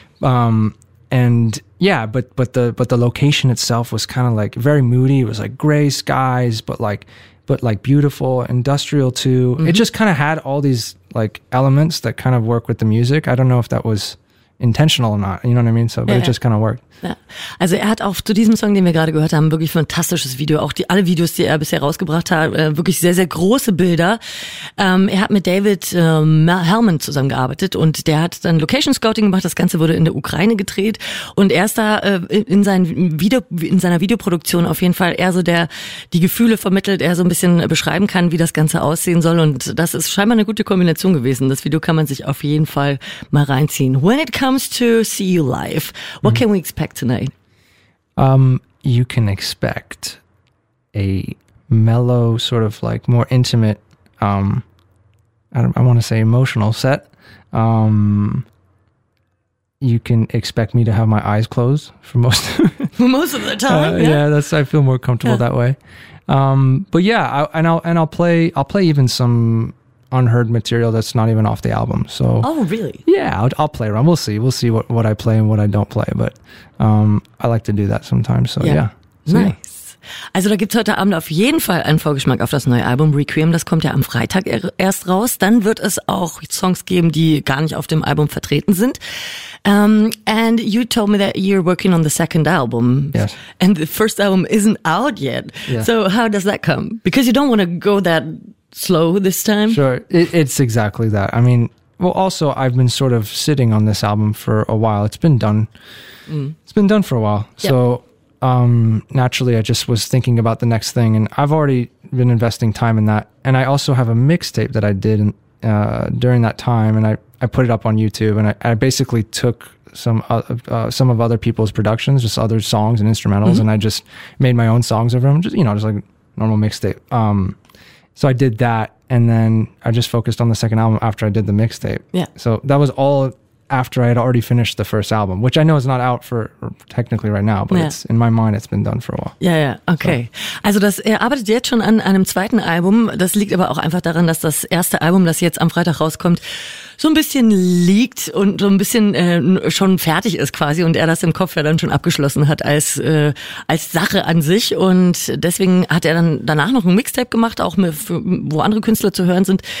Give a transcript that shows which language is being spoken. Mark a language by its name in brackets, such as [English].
[English] But the location itself was kind of like very moody. It was like gray skies, but beautiful, industrial too. Mm-hmm. It just kind of had all these like elements that kind of work with the music. I don't know if that was intentional or not, you know what I mean? So, but it just kind of worked. [German] Ja. Also er hat auch zu diesem Song, den wir gerade gehört haben, wirklich fantastisches Video. Auch alle Videos, die er bisher rausgebracht hat, wirklich sehr, sehr große Bilder. Er hat mit David Hellman zusammengearbeitet, und der hat dann Location Scouting gemacht. Das Ganze wurde in der Ukraine gedreht, und er ist da in seiner Videoproduktion auf jeden Fall eher so der, die Gefühle vermittelt, er so ein bisschen beschreiben kann, wie das Ganze aussehen soll, und das ist scheinbar eine gute Kombination gewesen. Das Video kann man sich auf jeden Fall mal reinziehen. [English] When it comes to see you live, what can we expect tonight? You can expect a mellow, sort of like more intimate, I want to say emotional set. You can expect me to have my eyes closed for most of the time. I feel more comfortable that way. I'll play even some unheard material that's not even off the album. So, oh really? Yeah, I'll play around. We'll see. We'll see what I play and what I don't play. But I like to do that sometimes. So yeah. Nice. [German] Also da gibt's heute Abend auf jeden Fall einen Vorgeschmack auf das neue Album Requiem. Das kommt ja am Freitag erst raus. Dann wird es auch Songs geben, die gar nicht auf dem Album vertreten sind. [English] And you told me that you're working on the second album. Yes. And the first album isn't out yet. Yeah. So how does that come? Because you don't want to go that slow this time? Sure. It's exactly that. I mean, well, also I've been sort of sitting on this album for a while. It's been done. It's been done for a while. Yep. So naturally I just was thinking about the next thing, and I've already been investing time in that. And I also have a mixtape that I did during that time, and I put it up on YouTube, and I basically took some of other people's productions, just other songs and instrumentals, and I just made my own songs over them, just like normal mixtape. So I did that, and then I just focused on the second album after I did the mixtape. Yeah. So that was all after I had already finished the first album, which I know is not out for technically right now, but it's in my mind, it's been done for a while. Yeah. Okay. So. [German] Also er arbeitet jetzt schon an einem zweiten Album. Das liegt aber auch einfach daran, dass das erste Album, das jetzt am Freitag rauskommt, so ein bisschen liegt und so ein bisschen schon fertig ist quasi, und er das im Kopf ja dann schon abgeschlossen hat als Sache an sich, und deswegen hat er dann danach noch ein Mixtape gemacht, auch wo andere Künstler zu hören sind.